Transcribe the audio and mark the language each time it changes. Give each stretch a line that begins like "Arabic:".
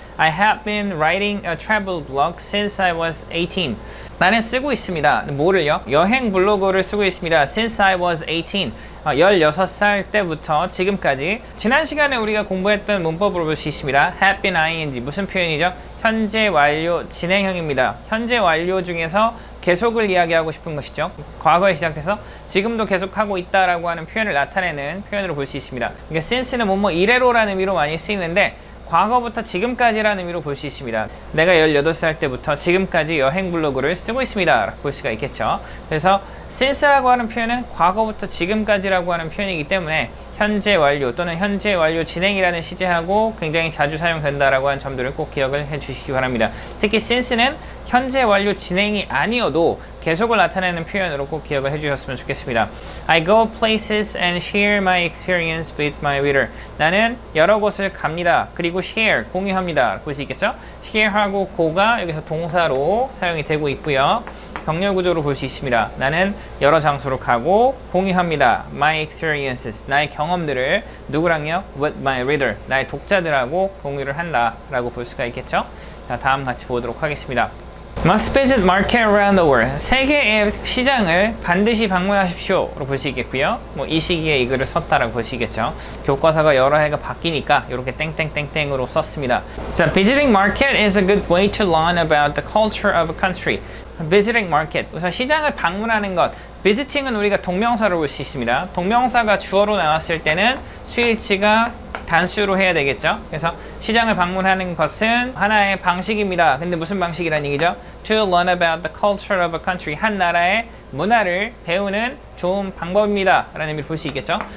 English: I have been writing a travel blog since I was 18.
Korean: 나는 쓰고 있습니다. 뭐를요? 여행 블로그를 쓰고 있습니다.
English: Since I was 18.
Korean: 16살 때부터 지금까지. 지난 시간에 우리가 공부했던 문법으로 볼 수 있습니다. Have been ing 무슨 표현이죠? 현재 완료 진행형입니다. 현재 완료 중에서 계속을 이야기하고 싶은 것이죠. 과거에 시작해서 지금도 계속하고 있다라고 하는 표현을 나타내는 표현으로 볼 수 있습니다. 그러니까 since는 뭐뭐 이래로라는 의미로 많이 쓰이는데 과거부터 지금까지라는 의미로 볼 수 있습니다. 내가 18살 때부터 지금까지 여행 블로그를 쓰고 있습니다 라고 볼 수가 있겠죠. 그래서 since라고 하는 표현은 과거부터 지금까지라고 하는 표현이기 때문에 현재 완료 또는 현재 완료 진행이라는 시제하고 굉장히 자주 사용된다라고 하는 점들을 꼭 기억을 해주시기 바랍니다. 특히 since는 현재 완료 진행이 아니어도 계속을 나타내는 표현으로 꼭 기억을 해주셨으면 좋겠습니다.
English: I go places and share my experience with my reader.
Korean: 나는 여러 곳을 갑니다. 그리고 share, 공유합니다. 볼 수 있겠죠? share하고 go가 여기서 동사로 사용이 되고 있고요. 병렬구조로 볼 수 있습니다. 나는 여러 장소로 가고 공유합니다.
English: My experiences,
Korean: 나의 경험들을 누구랑요?
English: With my reader,
Korean: 나의 독자들하고 공유를 한다 라고 볼 수가 있겠죠? 자, 다음 같이 보도록 하겠습니다.
English: Must visit market around the world.
Korean: 세계의 시장을 반드시 방문하십시오 로 볼 수 있겠고요. 뭐 이 시기에 이 글을 썼다라고 볼 수 있겠죠. 교과서가 여러 해가 바뀌니까 이렇게 땡땡땡땡으로 썼습니다.
English: 자, visiting market is a good way to learn about the culture of a country. Visiting market,
Korean: 우선 시장을 방문하는 것. Visiting은 우리가 동명사로 볼 수 있습니다. 동명사가 주어로 나왔을 때는 수일치가 단수로 해야 되겠죠. 그래서 시장을 방문하는 것은 하나의 방식입니다. 근데 무슨 방식이란 얘기죠?
English: To learn about the culture of a country,
Korean: 한 나라의 문화를 배우는 좋은 방법입니다 라는 의미를 볼 수 있겠죠.